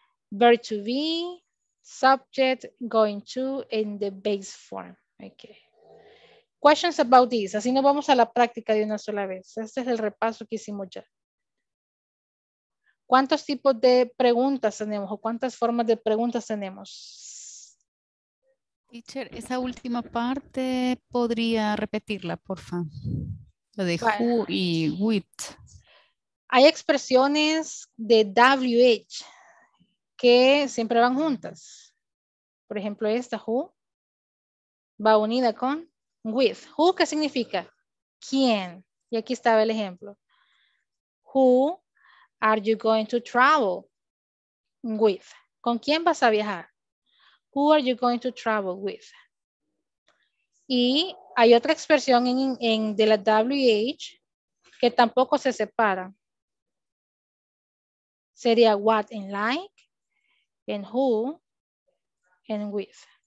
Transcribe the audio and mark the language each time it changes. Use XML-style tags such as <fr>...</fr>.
<en>Verb to be, subject, going to, in the base form. Okay. Questions about this.</en> <es>Así nos vamos a la práctica de una sola vez. Este es el repaso que hicimos ya. ¿Cuántos tipos de preguntas tenemos o cuántas formas de preguntas tenemos? Teacher, esa última parte podría repetirla, por favor. Lo de who y with. Hay expresiones de WH que siempre van juntas. Por ejemplo, esta who va unida con with. Who, ¿qué significa? ¿Quién? Y aquí estaba el ejemplo.</es> <en>Who are you going to travel with?</en> <es>¿Con quién vas a viajar?</es> <en>Who are you going to travel with?</en> <es>Y hay otra expresión en de la WH que tampoco se separa. Sería what and like, and who, and with.</es>